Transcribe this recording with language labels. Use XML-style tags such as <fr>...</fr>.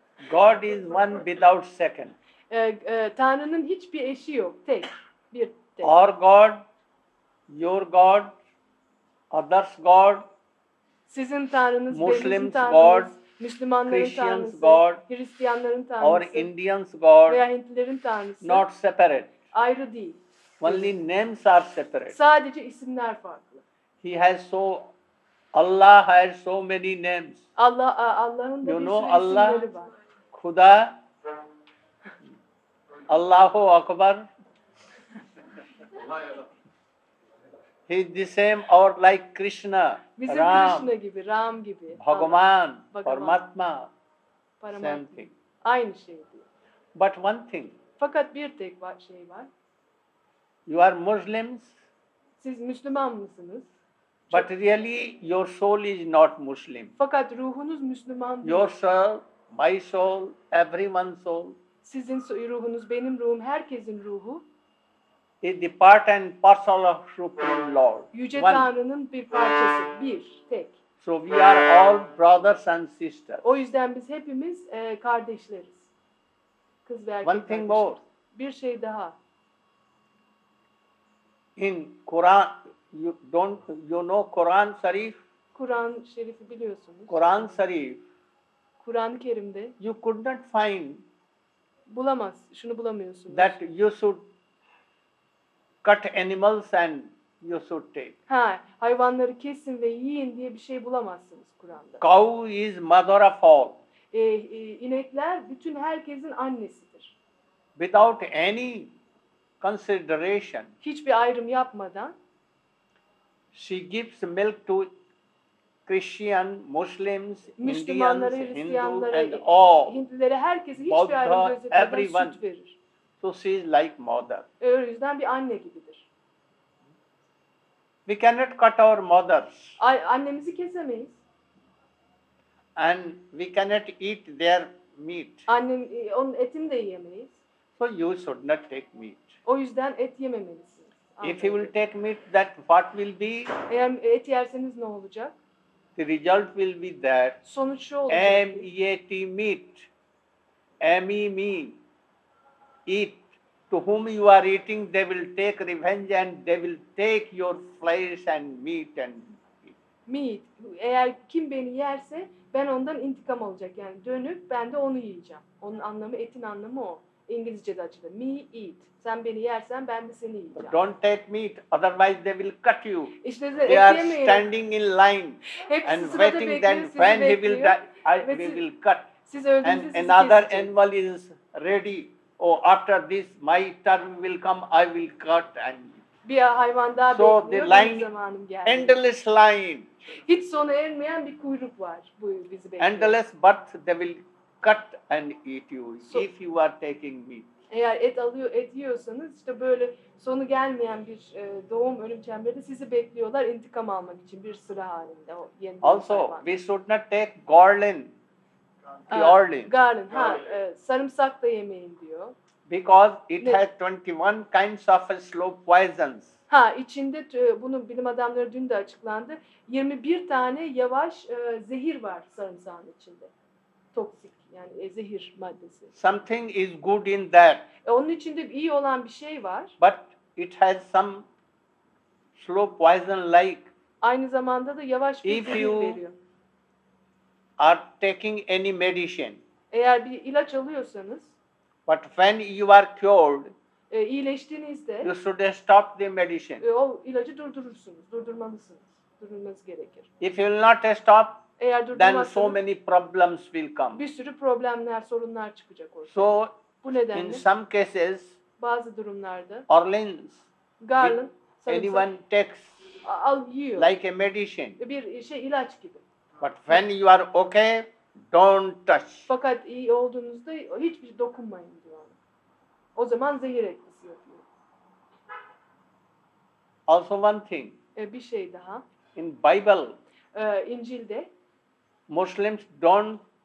<en>God is one without second.</en> <tr>Tanrı'nın hiçbir eşi yok, tek, bir tek.</tr> <en>Our God, your God, others God.</en> <tr>Sizin Tanrınız,</tr> <en>Muslims</en> <tr>tanrınız,</tr> <en>God,</en> <tr>Müslümanların</tr> <en>Christians God,</en> <tr>Hristiyanların tanrısı,</tr> <en>or Indians God,</en> <tr>veya Hintlilerin tanrısı.</tr> <en>Not separate.</en> <tr>Ayrı değil.</tr> <en>Only names are separate.</en> <tr>Sadece isimler farklı.</tr> <en>He has so, Allah has so many names.</en> <tr>Allah, Allah'ın da</tr> <en>you</en> <tr>bir</tr> <en>know,</en> <tr>sürü Allah, isimleri var.</tr> <ar>Kuda, Allahu Akbar.</ar> <en>He is the same or like Krishna,</en> <tr>bizim Ram. Bizim Krishna gibi, Ram gibi.</tr> <sa>Bhagavan, Paramatma, Paramatma.</sa> <en>Same thing.</en> <tr>Aynı şey diyor.</tr> <en>But one thing.</en> <tr>Fakat bir tek şey var.</tr> <en>You are Muslims.</en> <tr>Siz Müslüman mısınız?</tr> <en>But really, your soul is not Muslim.</en> <tr>Fakat ruhunuz Müslüman değil.</tr> <en>Your soul, my soul, everyone's soul.</en> <tr>Sizin ruhunuz, benim ruhum, herkesin ruhu.</tr> <en>Is the part and parcel of Supreme Lord.</en> <tr>Yüce Tanrı'nın bir parçası, bir, tek.</tr> <en>So we are all brothers and sisters.</en> <tr>O yüzden biz hepimiz kardeşleriz. Kız ve erkek.</tr> <en>One thing more.</en> <tr>Bir şey daha.</tr> <en>In Quran, you know Quran Sharif?</en> <tr>Kur'an Şerif'i biliyorsunuz.</tr> <en>Quran Sharif.</en> <tr>Kur'an-ı Kerim'de.</tr> <en>You couldn't find.</en> <tr>Bulamaz, şunu bulamıyorsunuz.</tr> <en>That you should cut animals and you should take.</en> <tr>Ha, hayvanları kesin ve yiyin diye bir şey bulamazsınız Kur'an'da.</tr> <en>Cow is mother of all.</en> <tr>İnekler bütün herkesin annesidir.</tr> <en>Without any consideration.</en> <tr>Hiçbir ayrım yapmadan.</tr> <en>She gives milk to Christian, Muslims,</en> <tr>Müslümanları,</tr> <en>Indians,</en> <tr>Hristiyanları, Hindulileri, herkesi hiçbir ayrım gözetmeden süt verir.</tr> <en>So she is like mother.</en> <tr>O yüzden bir anne gibidir.</tr> <en>We cannot cut our mothers.</en> <tr>Annemizi kesemeyiz.</tr> <en>And we cannot eat their meat.</en> <tr>Annem, onun etini de yiyemeyiz.</tr> <en>So you should not take meat.</en> <tr>O yüzden et yememelisiniz.</tr> <en>If you will take meat, that what will be?</en> <tr>Eğer et yerseniz ne olacak?</tr> <en>The result will be that.</en> <tr>Sonuç şu olacak.</tr> <en>M-E-A-T meat. M-E-M-E. Eat. To whom you are eating, they will take revenge and they will take your flesh and meat and meat.</en> <tr>Eğer kim beni yerse, ben ondan intikam alacak. Yani dönüp ben de onu yiyeceğim. Onun anlamı, etin anlamı o. İngilizce'de açıldı.</tr> <en>Me eat.</en> <tr>Sen beni yersen ben de seni yiyeceğim.</tr> <en>Don't take meat, otherwise they will cut you.</en> <tr>İşte</tr> <en>they are standing in line and waiting that when he will die, we will cut.</en> <tr>Siz öldüğünüzde</tr> <en>and another animal is ready. Oh, after this, my turn will come. I will cut and</en> <tr>bir hayvan daha</tr> <en>so</en> <tr>bekliyor.</tr> <en>The line, endless line.</en> <tr>Hiç sona ermeyen bir kuyruk var. Bu bizi bekliyor.</tr> <en>Endless, but they will cut and eat you so, if you are taking meat.</en> <tr>Eğer et alıyor, et yiyorsanız işte böyle sonu gelmeyen bir doğum ölüm çemberinde sizi bekliyorlar intikam almak için bir sıra halinde. O yeni</tr> <en>also,</en> <tr>hayvan.</tr> <en>We should not take garland. Garland.</en> <tr>Sarımsak da yemeyin diyor.</tr> <en>Because it</en> <tr>ne?</tr> <en>Has 21 kinds of slow poisons.</en> <tr>Ha, içinde bunun bilim adamları dün de açıklandı. 21 tane yavaş zehir var sarımsağın içinde. Toksik. Yani zehir maddesi.</tr> <en>Something is good in that.</en> <tr>Onun içinde iyi olan bir şey var.</tr> <en>But it has some slow poison like.</en> <tr>Aynı zamanda da yavaş bir zehir veriyor.</tr> <en>If you are taking any medicine.</en> <tr>Eğer bir ilaç alıyorsanız.</tr> <en>But when you are cured.</en> <tr>İyileştiğinizde.</tr> <en>You should stop the medicine.</en> <tr>O ilacı durdurursunuz. Durdurmalısınız. Durdurmanız gerekir.</tr> <en>If you will not stop.</en> <tr>Eğer durdum,</tr> <en>then so many problems will come.</en> <tr>Bir sürü problemler, sorunlar çıkacak ortaya.</tr> <en>So,</en> <tr>bu nedenle</tr> <en>in some cases,</en> <tr>bazı durumlarda</tr> <en>Orleans, Garland, anyone takes you, like a medicine.</en> <tr>Bir şey ilaç gibi.</tr> <en>But when you are okay, don't touch.</en> <tr>Fakat iyi olduğunuzda hiçbir şey dokunmayın diyor. O zaman zehir etkisi yapıyor.</tr> <en>Also one thing.</en> <tr>Bir şey daha.</tr> <en>In Bible.</en> <tr>İncil'de.</tr> <en>Muslims don't</en>